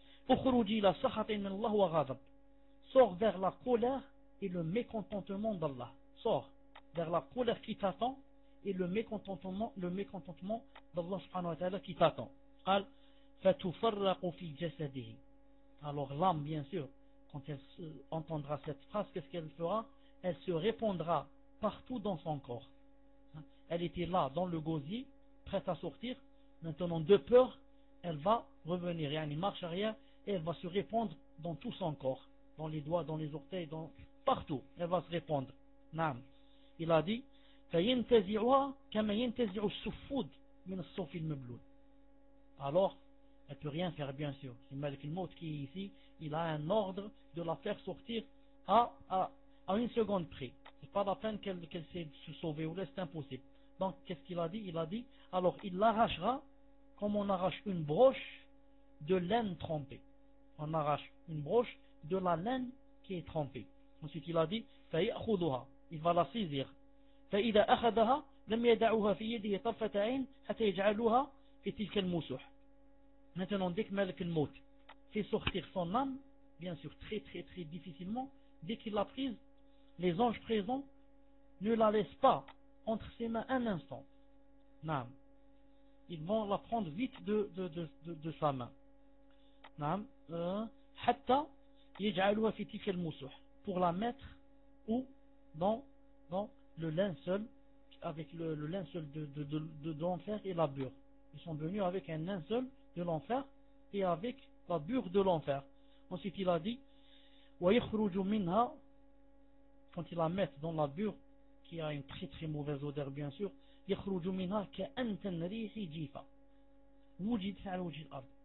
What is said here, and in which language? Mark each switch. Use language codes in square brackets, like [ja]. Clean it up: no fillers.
[ar] اخرجي الى سخط من الله وغضب. [fr] Sors vers la colère et le mécontentement d'Allah. Sors vers la colère qui t'attend et le mécontentement d'Allah subhanahu wa ta'ala qui t'attend. [ar] قال فتفرق في جسده. [fr] Alors l'âme, bien sûr, quand elle entendra cette phrase, qu'est-ce qu'elle fera? Elle se répandra partout dans son corps. Elle était là dans le gosier, prête à sortir. Maintenant, de peur, elle va revenir, yani marche arrière. Elle va se répandre dans tout son corps, dans les doigts, dans les orteils, dans partout. Elle va se répandre. Nam. Il a dit, [ar] فَيَنْتَزِعُهَا كَمَا يَنْتَزِعُ السُّفُودِ مِنَ الصَّوْفِ الْمَبْلُودِ. [fr] Alors, elle ne peut rien faire, bien sûr. C'est Malik al-Mawt qui est ici. Il a un ordre de la faire sortir à une seconde près. Ce n'est pas la peine qu'elle essaie de se sauver, ou là, c'est impossible. Donc, qu'est-ce qu'il a dit? Il a dit, alors, il l'arrachera comme on arrache une broche de laine trempée. On arrache une broche de la laine qui est trempée. Ensuite, il a dit, [ar] فَيَأْخُذُهَا. [fr] Il va la saisir. [ar] فَإِذَا أَخَذَهَا لَمْ يَدَعُهَا فِي يَدِهِ طَرْفَةَ عَيْنٍ حَتَى يَجْعَلُهَا فِي تِلْكَ الْمُوسُوحِ. [fr] Maintenant, dès que Malik al-Mawt fait sortir son âme, bien sûr, très très très difficilement, dès qu'il l'a prise, les anges présents ne la laissent pas entre ses mains un instant. Naam. Ils vont la prendre vite de sa main. Naam. [ar] حتى يجعلها في تلك المسوح. [fr] Pour la mettre ou dans le linceul, avec le linceul de l'enfer et la bure. Ils sont venus avec un linceul de l'enfer et avec la bure de l'enfer. Ensuite il a dit, [ar] ويخرج منها, [fr] quand ils la mettent dans la bure, qui a une très très mauvaise odeur bien sûr, [ar] يخرج منها كأنت الريح جيفة وجد على وجه الأرض.